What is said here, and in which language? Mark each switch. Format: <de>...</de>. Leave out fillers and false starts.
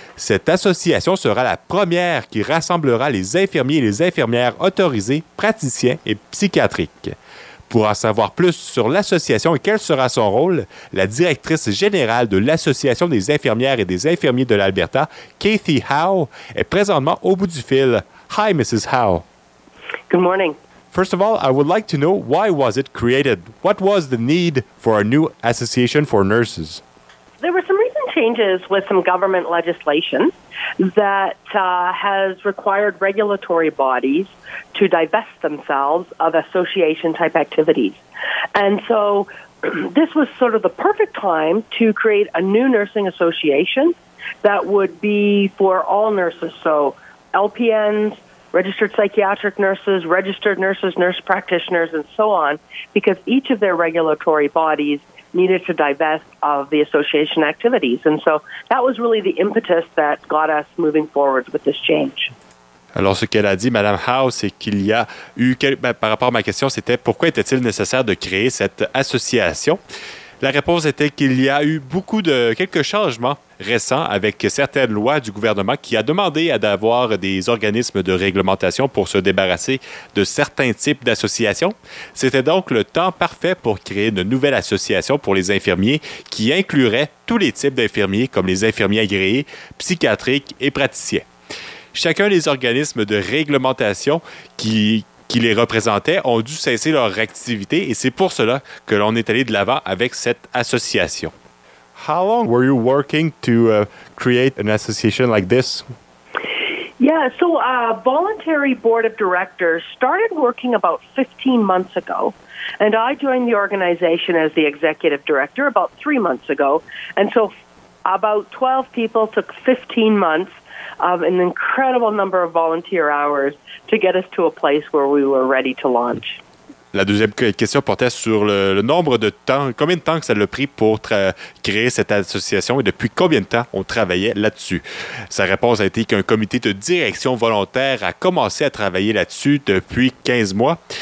<fr>Cette association sera la première qui rassemblera les infirmiers et les infirmières autorisés, praticiens et psychiatriques. Pour en savoir plus sur l'association et quel sera son rôle, la directrice générale de l'Association des infirmières et des infirmiers de l'Alberta, Kathy Howe, est présentement au bout du fil.</fr> <en>Hi, Mrs. Howe. Good morning. First of all, I would like to know, why was it created? What was the need for a new association for nurses? There were some recent changes with some government legislation that has required regulatory bodies to divest themselves of association-type activities. And so this was sort of the perfect time to create a new nursing association that would be for all nurses, so LPNs, registered psychiatric nurses, registered nurses, nurse practitioners, and so on, because each of their regulatory bodies needed to divest of the association activities. And so that was really the impetus that got us moving forward with this change.</en> <fr>Alors, ce qu'elle a dit, Mme Howe, c'est qu'il y a eu, par rapport à ma question, c'était pourquoi était-il nécessaire de créer cette association? La réponse était qu'il y a eu beaucoup de quelques changements récents avec certaines lois du gouvernement qui a demandé à d'avoir des organismes de réglementation pour se débarrasser de certains types d'associations. C'était donc le temps parfait pour créer une nouvelle association pour les infirmiers qui inclurait tous les types d'infirmiers comme les infirmiers agréés, psychiatriques et praticiens. Chacun des organismes de réglementation qui les représentaient ont dû cesser leur activité et c'est pour cela que l'on est allé de l'avant avec cette association.</fr> <en>How long were you working to create an association like this? Yeah, so a voluntary board of directors started working about 15 months ago, and I joined the organization as the executive director about 3 months ago, and so about 12 people took 15 months of an incredible number of volunteer hours to get us to a place where we were ready to launch.</en> <fr>La deuxième question portait sur le nombre de temps, combien de temps que ça l'a pris pour créer cette association et depuis combien de temps on travaillait là-dessus. Sa réponse a été qu'un comité de direction volontaire a commencé à travailler là-dessus depuis 15 mois.</fr>